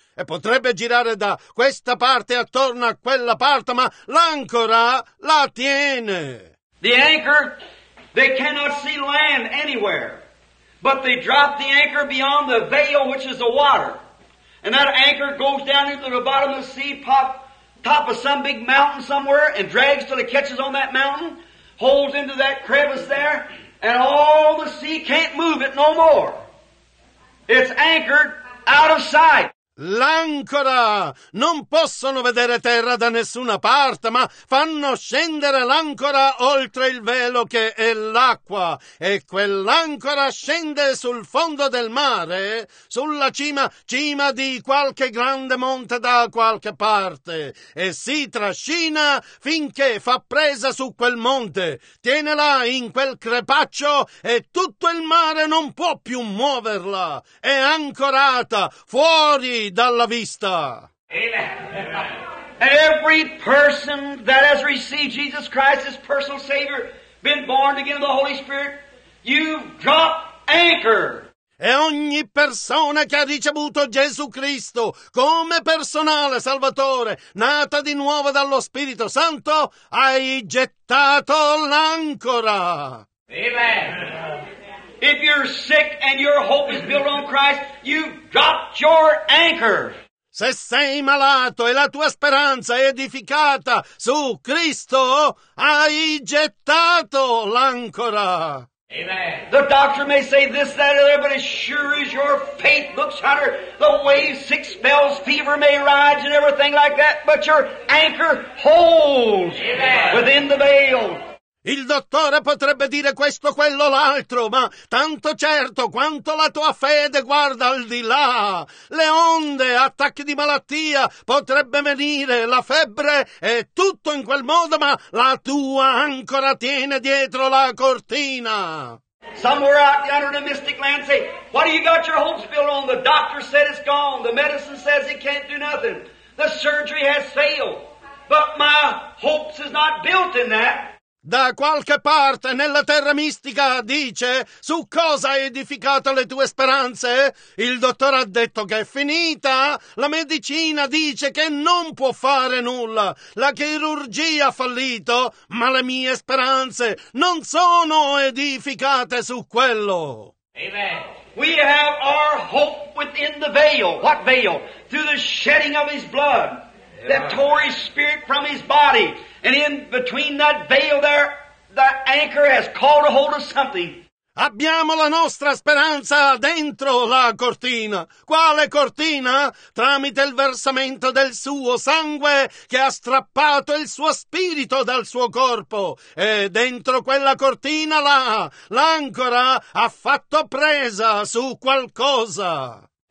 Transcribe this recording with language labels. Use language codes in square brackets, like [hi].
[it] E potrebbe girare da questa parte attorno a quella parte, ma l'ancora la tiene. [en] The anchor, they cannot see land anywhere. But they drop the anchor beyond the veil, which is the water. And that anchor goes down into the bottom of the sea, pop top of some big mountain somewhere, and drags till it catches on that mountain, holds into that crevice there, and all the sea can't move it no more. It's anchored out of sight. [it] L'ancora! Non possono vedere terra da nessuna parte, ma fanno scendere l'ancora oltre il velo che è l'acqua, e quell'ancora scende sul fondo del mare, sulla cima di qualche grande monte da qualche parte, e si trascina finché fa presa su quel monte, tienela in quel crepaccio e tutto il mare non può più muoverla, è ancorata fuori dalla vista. Amen. [en] Every person that has received Jesus Christ as personal Savior, been born again of the Holy Spirit, you've dropped anchor. [it] E ogni persona che ha ricevuto Gesù Cristo come personale salvatore, nata di nuovo dallo Spirito Santo, hai gettato l'ancora. Amen. [en] If you're sick and your hope is built on Christ, you've dropped your anchor. [it] Se sei malato e la tua speranza è edificata su Cristo, hai gettato l'ancora. Amen. [en] The doctor may say this, that, or other, but as sure as your faith books, Hunter, the wave six bells, fever may rise and everything like that, but your anchor holds. Amen. Within the veil. [it] Il dottore potrebbe dire questo, quello, l'altro, ma tanto certo quanto la tua fede guarda al di là. Le onde, attacchi di malattia, potrebbe venire, la febbre e tutto in quel modo, ma la tua ancora tiene dietro la cortina. [en] Somewhere out yonder in a mystic land, say, what do you got your hopes built on? The doctor said it's gone. The medicine says it can't do nothing. The surgery has failed. But my hopes is not built in that. [it] Da qualche parte nella terra mistica dice, su cosa hai edificato le tue speranze? Il dottore ha detto che è finita. La medicina dice che non può fare nulla. La chirurgia ha fallito, ma le mie speranze non sono edificate su quello. Amen. [en] We have our hope within the veil. What veil? Through the shedding of his blood. That tore his spirit from his body. And in between that veil there, the anchor has caught a hold of something. [it] Abbiamo la nostra speranza dentro la cortina. Quale cortina? Tramite il versamento del suo sangue che ha strappato il suo spirito dal suo corpo. E dentro quella cortina là, l'ancora ha fatto presa su qualcosa.